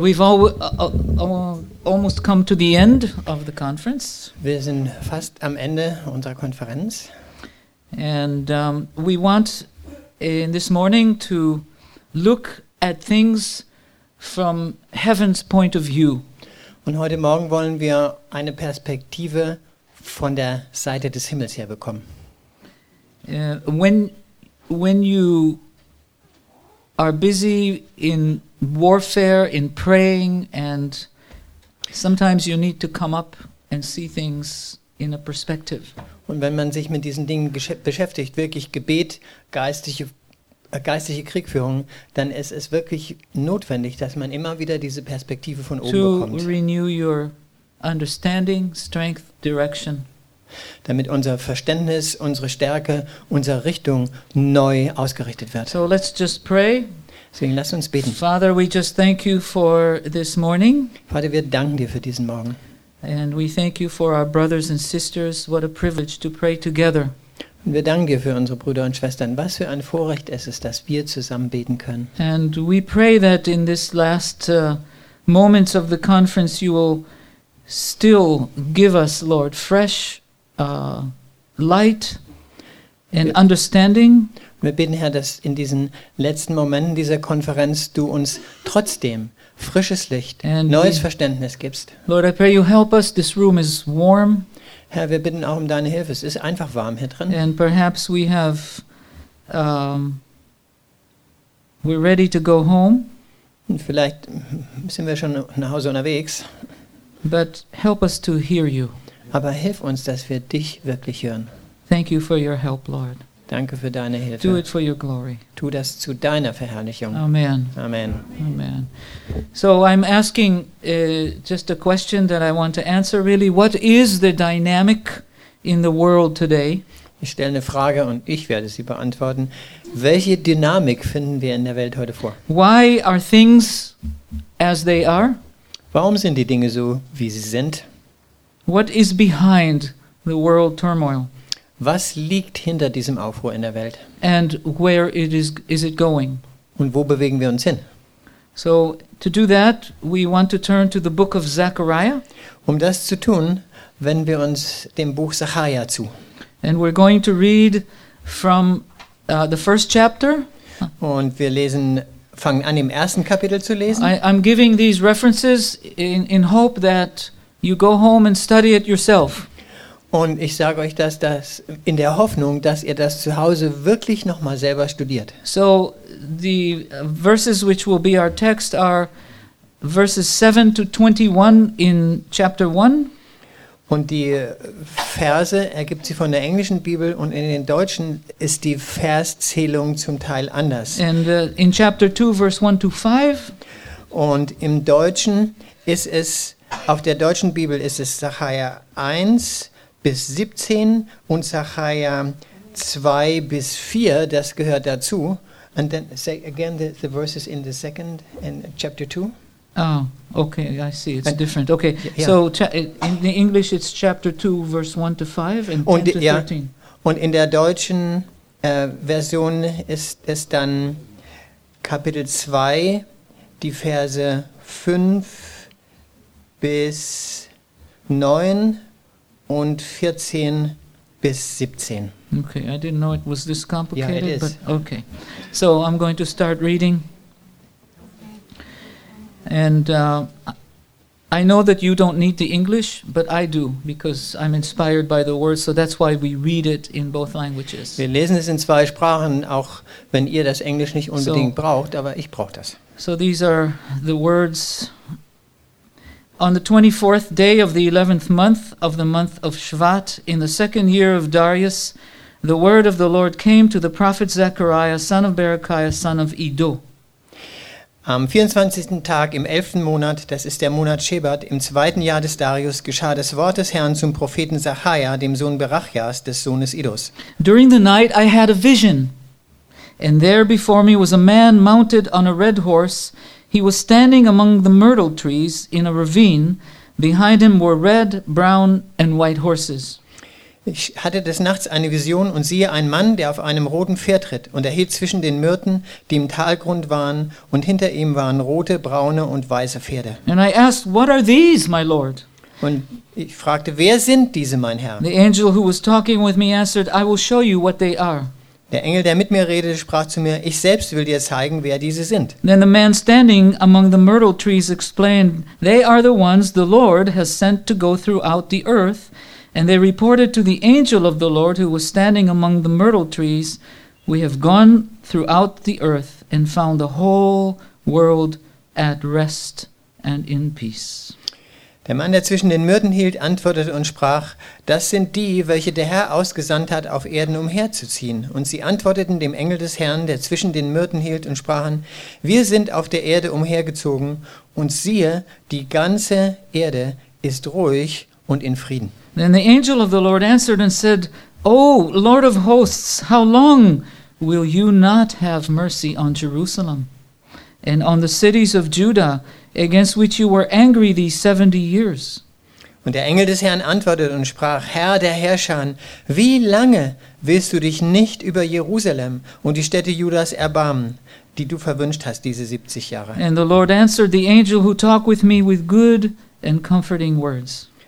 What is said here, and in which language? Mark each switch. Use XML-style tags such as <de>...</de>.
<en>We've almost come to the end of the conference.</en> <de>Wir sind fast am Ende unserer Konferenz.</de> <en>And we want in this morning to look at things from heaven's point of view.</en> <de>Und heute Morgen wollen wir eine Perspektive von der Seite des Himmels her bekommen.</de> <en>When you are busy in warfare, in praying, and sometimes you need to come up and see things in a perspective.</en> <de>Und wenn man sich mit diesen Dingen beschäftigt, wirklich Gebet, geistliche Kriegführung, dann ist es wirklich notwendig, dass man immer wieder diese Perspektive von oben bekommt.</de> <en>To renew your understanding, strength, direction.</en> <de>Damit unser Verständnis, unsere Stärke, unsere Richtung neu ausgerichtet wird.</de> <en>So let's just pray.</en> <de>Deswegen lass uns beten.</de> <en>Father, we just thank you for this morning.</en> <de>Vater, wir danken dir für diesen Morgen.</de> <en>And we thank you for our brothers and sisters. What a privilege to pray together.</en> <de>Und wir danken dir für unsere Brüder und Schwestern. Was für ein Vorrecht es ist, dass wir zusammen beten können.</de> <en>And we pray that in this last moments of the conference you will still give us, Lord, fresh light and understanding.</en> <de>Wir bitten, Herr, dass in diesen letzten Momenten dieser Konferenz du uns trotzdem frisches Licht, and neues Verständnis gibst.</de> <en>Lord, I pray you help us. This room is warm.</en> <de>Herr, wir bitten auch um deine Hilfe. Es ist einfach warm hier drin.</de> <en>And perhaps we have we're ready to go home.</en> <de>Und vielleicht sind wir schon nach Hause unterwegs.</de> <en>But help us to hear you.</en> <de>Aber hilf uns, dass wir dich wirklich hören.</de> <en>Thank you for your help, Lord.</en> <de>Danke für deine Hilfe.</de> <en>Do it for your glory.</en> <de>Tu das zu deiner Verherrlichung.</de> <en>Amen.</en> <de>Amen.</de> <en>Amen. So I'm asking just a question that I want to answer really. What is the dynamic in the world today?</en> <de>Ich stelle eine Frage und ich werde sie beantworten. Welche Dynamik finden wir in der Welt heute vor?</de> <en>Why are things as they are?</en> <de>Warum sind die Dinge so, wie sie sind?</de> <en>What is behind the world turmoil?</en> <de>Was liegt hinter diesem Aufruhr in der Welt?</de> <en>And where is it going?</en> <de>Und wo bewegen wir uns hin?</de> <en>So to do that, we want to turn to the book of Zechariah.</en> <de>Um das zu tun, wenden wir uns dem Buch Zechariah zu.</de> <en>And we're going to read from the first chapter.</en> <de>Und wir lesen, fangen an im ersten Kapitel zu lesen.</de> <en>I'm giving these references in hope that you go home and study it yourself.</en> <de>Und ich sage euch das, dass in der Hoffnung, dass ihr das zu Hause wirklich noch mal selber studiert.</de> <en>So the verses which will be our text are verses 7 to 21 in chapter 1.</en> <de>Und die Verse ergibt sie von der englischen Bibel und in den deutschen ist die Verszählung zum Teil anders.</de> <en>And in chapter 2 verse 1 to 5</en> <de>und im deutschen ist es auf der deutschen Bibel ist es Zechariah 1 bis 17 und Zechariah 2 bis 4, das gehört dazu.</de> <en>And then say again the verses in the second in chapter 2. Oh, okay, I see. It's and different. Okay. Yeah. So in the English it's chapter 2 verse 1 to 5 and 10 und, to 13.</en> <de>Ja. Und in der deutschen Version ist es dann Kapitel 2 die Verse 5 bis 9 und 14 bis 17.</de> <en>Okay, I didn't know it was this complicated. Yeah, it is. But okay, so I'm going to start reading. And I know that you don't need the English, but I do, because I'm inspired by the word, so that's why we read it in both languages.</en> <de>Wir lesen es in zwei Sprachen, auch wenn ihr das Englisch nicht unbedingt braucht, aber ich brauche das.</de> <en>So these are the words. On the 24th day of the 11th month of Shvat, in the second year of Darius, the word of the Lord came to the prophet Zechariah, son of Berechiah, son of Iddo.</en> <de>Am 24. Tag im 11. Monat, das ist der Monat Shebat, im zweiten Jahr des Darius, geschah das Wort des Herrn zum Propheten Zechariah, dem Sohn Berechias, des Sohnes Iddos.</de> <en>During the night I had a vision, and there before me was a man mounted on a red horse. He was standing among the myrtle trees in a ravine. Behind him were red, brown, and white horses.</en> <de>Ich hatte des Nachts eine Vision und siehe einen Mann, der auf einem roten Pferd ritt, und er hielt zwischen den Myrten, die im Talgrund waren, und hinter ihm waren rote, braune und weiße Pferde.</de> <en>And I asked, what are these, my Lord?</en> <de>Und ich fragte, wer sind diese, mein Herr?</de> <en>The angel who was talking with me answered, I will show you what they are.</en> <de>Der Engel, der mit mir redete, sprach zu mir, ich selbst will dir zeigen, wer diese sind.</de> <en>Then the man standing among the myrtle trees explained, they are the ones the Lord has sent to go throughout the earth. And they reported to the angel of the Lord who was standing among the myrtle trees, we have gone throughout the earth and found the whole world at rest and in peace.</en> <de>Der Mann, der zwischen den Myrten hielt, antwortete und sprach, das sind die, welche der Herr ausgesandt hat, auf Erden umherzuziehen. Und sie antworteten dem Engel des Herrn, der zwischen den Myrten hielt, und sprachen, wir sind auf der Erde umhergezogen, und siehe, die ganze Erde ist ruhig und in Frieden.</de> <en>Then the angel of the Lord answered and said, O Lord of hosts, how long will you not have mercy on Jerusalem and on the cities of Judah, against which you were angry these 70 years?</en> <de>Und der Engel des Herrn antwortete und sprach, Herr der Herrscher, wie lange willst du dich nicht über Jerusalem und die Städte Judas erbarmen, die du verwünscht hast diese 70 Jahre?</de> <en>And the Lord answered the angel who talked with me with good and comforting words.</en>